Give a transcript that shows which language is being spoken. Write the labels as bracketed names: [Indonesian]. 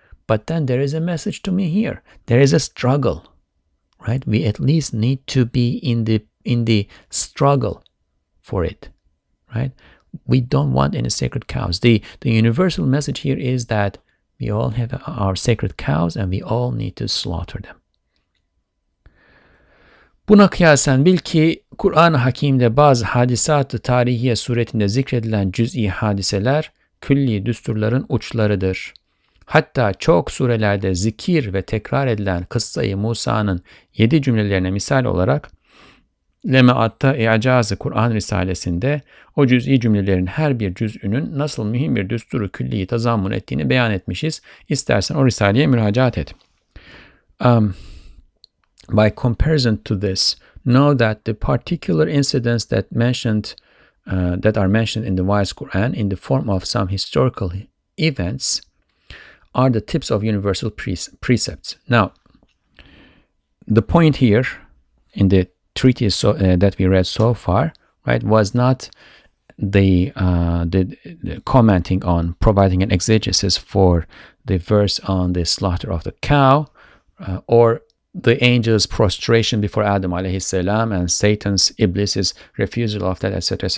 [English] But then there is a message to me here. There is a struggle, right? We at least need to be in the struggle for it, right? We don't want any sacred cows. The universal message here is that we all have our sacred cows and we all need to slaughter them. [Turkish] Buna kıyasen bil ki Kur'an-ı Hakim'de bazı hadisat-ı tarihiye suretinde zikredilen cüz'i hadiseler külli düsturların uçlarıdır. Hatta çok surelerde zikir ve tekrar edilen kıssayı Musa'nın 7 cümlelerine misal olarak Lemaat'ta İ'caz-ı Kur'an Risalesi'nde o cüz'i cümlelerin her bir cüz'ünün nasıl mühim bir düsturu külliyi tazammun ettiğini beyan etmişiz. İstersen o risaleye müracaat et. [English] By comparison to this, know that the particular incidents that are mentioned in the Wise Quran in the form of some historical events are the tips of universal precepts. Now, the point here in the treatise that we read so far, right, was not the commenting on providing an exegesis for the verse on the slaughter of the cow, or the angel's prostration before Adam alayhi salam and Satan's, Iblis's refusal of that, etc.